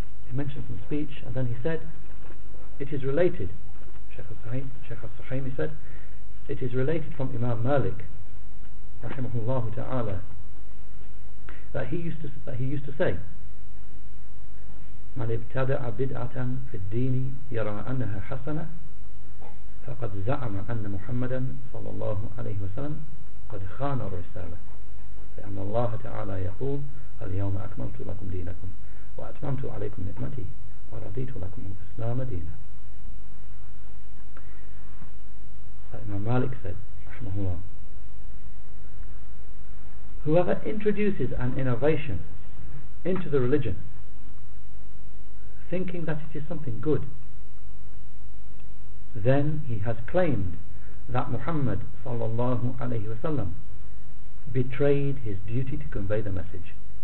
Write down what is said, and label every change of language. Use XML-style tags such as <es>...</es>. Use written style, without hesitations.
<en>He mentions some speech, and then he said, it is related, Shaykh al-Suhaymi said, it is related from Imam Malik, rahimahullah ta'ala, that he used to say,</en> <ar>مَنِ ابْتَدَعَ بِدْعَةً فِي الدِّينِ يَرَى أَنَّهَا حَسَنَةً فَقَدْ زعم أن محمدا صلى الله عليه وسلم قد خان الرسالة لأن الله تعالى يقول اليوم أكملت لكم دينكم وأتممت عليكم نعمتي ورضيت لكم الإسلام دينا.</ar> <en>Imam Malik said, Rahmahullah, whoever introduces an innovation into the religion thinking that it is something good, then he has claimed that Muhammad sallallahu alayhi wa sallam betrayed his duty to convey the message.</en>